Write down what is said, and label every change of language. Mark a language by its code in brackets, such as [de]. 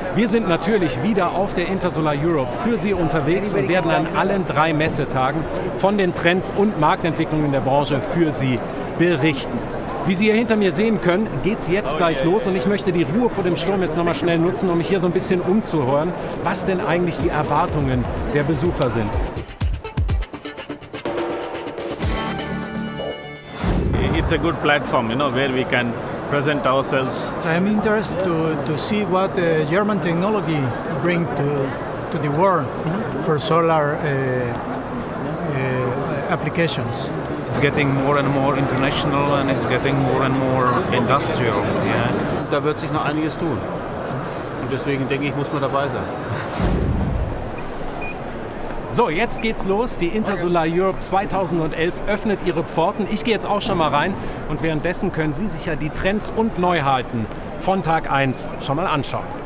[de] Wir sind natürlich wieder auf der Intersolar Europe für Sie unterwegs und werden an allen drei Messetagen von den Trends und Marktentwicklungen in der Branche für Sie berichten. Wie Sie hier hinter mir sehen können, geht es jetzt gleich los und ich möchte die Ruhe vor dem Sturm jetzt nochmal schnell nutzen, um mich hier so ein bisschen umzuhören, was denn eigentlich die Erwartungen der Besucher sind. [en] It's a good platform, you know, where we can present ourselves. I'm interested to see what the German technology brings to the world for solar applications. It's getting more and more international and it's getting more and more industrial. Yeah. [de] Da wird sich noch einiges tun. Und deswegen denke ich, muss man dabei sein. So, jetzt geht's los. Die Intersolar Europe 2011 öffnet ihre Pforten. Ich gehe jetzt auch schon mal rein und währenddessen können Sie sich ja die Trends und Neuheiten von Tag 1 schon mal anschauen.